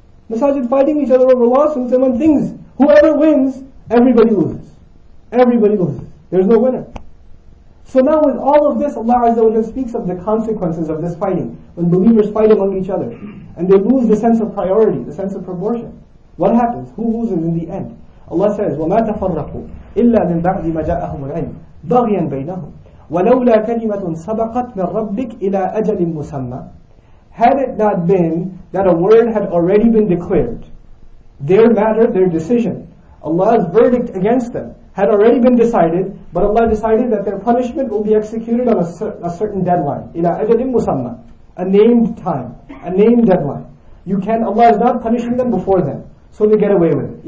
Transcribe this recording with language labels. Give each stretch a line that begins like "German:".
English: Masajid fighting each other over lawsuits, and when things, whoever wins, everybody loses. Everybody loses. There's no winner. So now with all of this, Allah Azza wa Jalla speaks of the consequences of this fighting. When believers fight among each other, and they lose the sense of priority, the sense of proportion. What happens? Who loses in the end? Allah says,
Arabic: وَمَا تَفَرَّقُوا إِلَّا مِنْ بَعْدِ مَا جَاءَهُمُ الْعِلْمِ بَغْيًا بَيْنَهُمْ وَلَوْلَا كَلِمَةٌ سَبَقَتْ مِنْ رَبِّكَ إِلَىٰ أَجَلٍ مُسَمَّى.
English: Had it not been that a word had already been declared, their matter, their decision, Allah's verdict against them, had already been decided, but Allah decided that their punishment will be executed on a certain deadline.
Arabic: إِلَىٰ أَجَلٍ مُسَمَّى.
English: A named time, a named deadline. You can, Allah is not punishing them before then, so they get away with it.